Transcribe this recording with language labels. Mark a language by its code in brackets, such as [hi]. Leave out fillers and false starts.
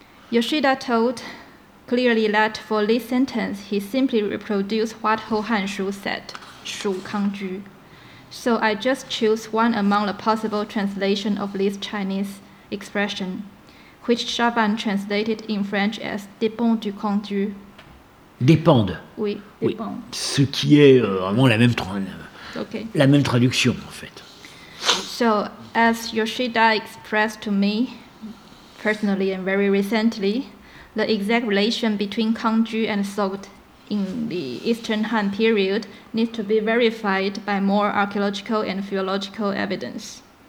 [en] Yoshida told clearly that for this sentence, he simply reproduced what Ho Hanshu said, Shu Kangju. So I just choose one among the possible translation of this Chinese expression, which Chaban translated in French as [fr] dépend du Kangju. Dépend. Oui, dépend. Oui. Ce qui est vraiment la même traduction, en fait. [en] So, as Yoshida expressed to me personally and very recently, the exact relation between kanju and salt in the Eastern Han period needs to be verified by more archaeological and philological evidence.